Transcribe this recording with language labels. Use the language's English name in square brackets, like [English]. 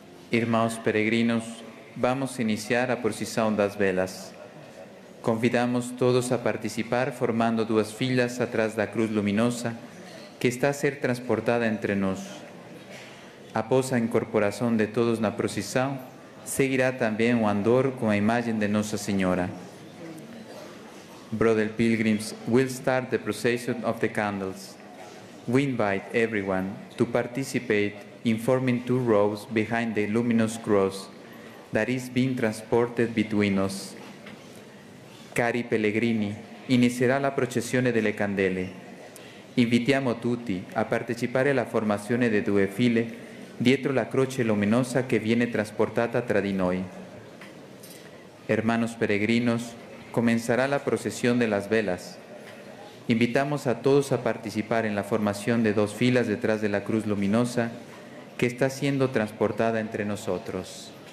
[Portuguese] Irmãos peregrinos, vamos iniciar a procissão das velas. Convidamos todos a participar formando duas filas atrás da cruz luminosa que está a ser transportada entre nos. [Spanish] Aposa en corporación de todos na procesión, seguirá también o andor con la imagen de Nuestra Señora. [English] Brother pilgrims, we'll start the procession of the candles. We invite everyone to participate in forming two rows behind the luminous cross that is being transported between us. [Italian] Cari pellegrini, inizierà la processione delle candele. Invitiamo tutti a partecipare alla formazione di due file dietro la croce luminosa che viene trasportata tra di noi. [Spanish] Hermanos peregrinos, comenzará la procesión de las velas. Invitamos a todos a participar en la formación de dos filas detrás de la cruz luminosa que está siendo transportada entre nosotros.